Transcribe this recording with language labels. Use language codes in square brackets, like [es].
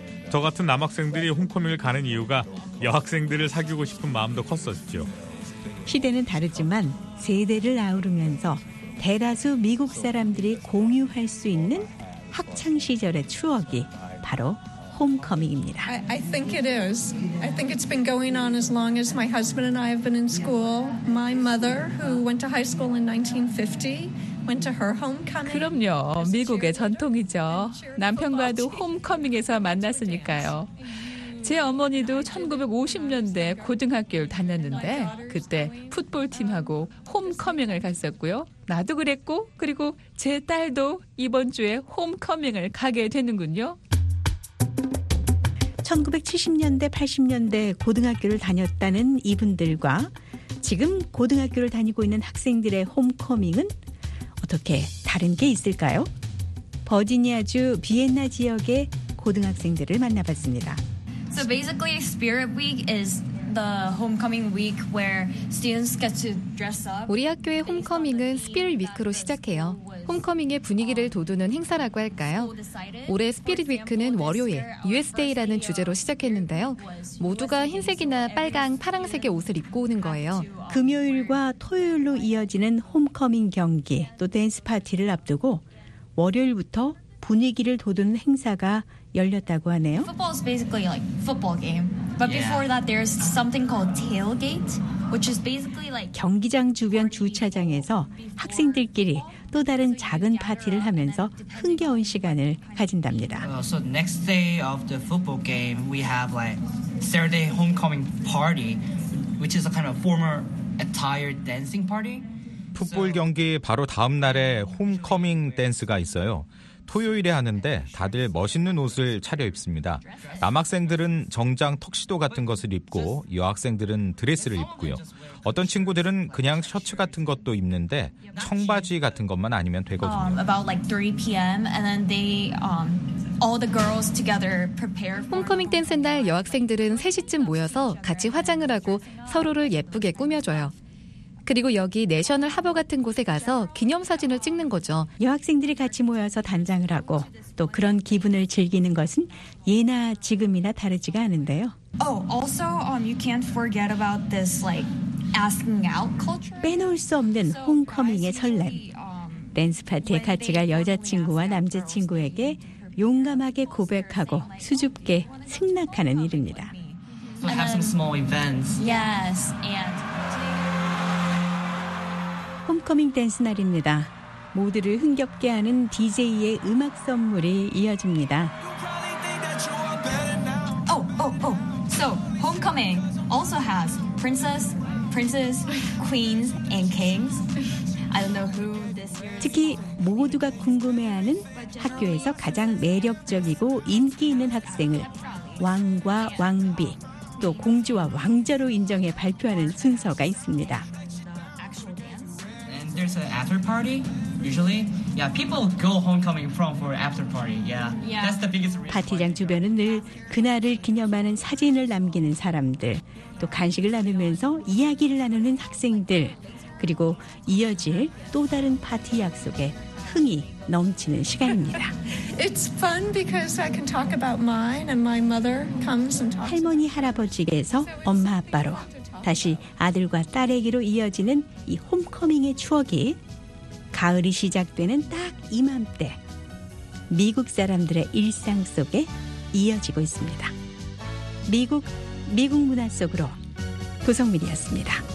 [ko] 저 같은 남학생들이 홈커밍을 가는 이유가 여학생들을 사귀고 싶은 마음도 컸었죠. 시대는 다르지만 세대를 아우르면서 대다수 미국 사람들이 공유할 수 있는 학창 시절의 추억이 바로 홈커밍입니다. [en] I think it is. I think it's been going on as long as my husband and I have been in school. My mother, who went to high school in 1950, went to her homecoming. [ko] 그럼요. 미국의 전통이죠. 남편과도 홈커밍에서 만났으니까요. 제 어머니도 1950년대 고등학교를 다녔는데 그때 풋볼팀하고 홈커밍을 갔었고요. 나도 그랬고 그리고 제 딸도 이번 주에 홈커밍을 가게 되는군요. 1970년대, 80년대 고등학교를 다녔다는 이분들과 지금 고등학교를 다니고 있는 학생들의 홈커밍은 어떻게 다른 게 있을까요? 버지니아주 비엔나 지역의 고등학생들을 만나봤습니다. [en] So basically, Spirit Week is the homecoming week where students get to dress up. [ko] 우리 학교의 홈커밍은 Spirit Week로 시작해요. 홈커밍의 분위기를 돋우는 행사라고 할까요? 올해 스피릿 위크는 월요일, US Day라는 주제로 시작했는데요. 모두가 흰색이나 빨강, 파랑색의 옷을 입고 오는 거예요. 금요일과 토요일로 이어지는 홈커밍 경기, 또 댄스 파티를 앞두고 월요일부터 분위기를 돋우는 행사가 열렸다고 하네요. [en] Football is basically like football game. But before that there's something called tailgate, which is basically like [ko] 경기장 주변 주차장에서 학생들끼리 또 다른 작은 파티를 하면서 흥겨운 시간을 가진답니다. [en] So next day of the football game, we have like Saturday homecoming party, which is a kind of formal attire dancing party. [ko] 풋볼 경기 바로 다음 날에 홈커밍 댄스가 있어요. 토요일에 하는데 다들 멋있는 옷을 차려입습니다. 남학생들은 정장 턱시도 같은 것을 입고 여학생들은 드레스를 입고요. 어떤 친구들은 그냥 셔츠 같은 것도 입는데 청바지 같은 것만 아니면 되거든요. [en] About like 3 p.m. and then they all the girls together prepare. [ko] 홈커밍 댄스 날 여학생들은 3시쯤 모여서 같이 화장을 하고 서로를 예쁘게 꾸며줘요. 그리고 여기 내셔널 하버 같은 곳에 가서 기념사진을 찍는 거죠. 여학생들이 같이 모여서 단장을 하고 또 그런 기분을 즐기는 것은 예나 지금이나 다르지가 않은데요. [en] Oh, also you can't forget about this like asking out culture. [ko] 빼놓을 수 없는 홈커밍의 설렘. 댄스 파티에 같이 갈 여자친구와 남자친구에게 용감하게 고백하고 수줍게 승낙하는 일입니다. [en] So have some small events. Yes, and [ko] 홈커밍 댄스 날입니다. 모두를 흥겹게 하는 DJ의 음악 선물이 이어집니다. [en] So homecoming also has princes, queens and kings. I don't know who this year. [ko] 특히 모두가 궁금해하는 학교에서 가장 매력적이고 인기 있는 학생을 왕과 왕비, 또 공주와 왕자로 인정해 발표하는 순서가 있습니다. [en] There's an after party usually. Yeah, people go homecoming from for after party. Yeah. That's the biggest reason. [ko] 파티장 주변은 늘 그날을 기념하는 사진을 남기는 사람들, 또 간식을 나누면서 이야기를 나누는 학생들, 그리고 이어질 또 다른 파티 약속에 흥이 넘치는 시간입니다. [en] It's fun because I can talk about mine and my mother comes and talks. [ko] 할머니 할아버지에게서 엄마 아빠로 다시 아들과 딸에게로 이어지는 이 홈커밍의 추억이 가을이 시작되는 딱 이맘때 미국 사람들의 일상 속에 이어지고 있습니다. 미국 문화 속으로 도성민이었습니다.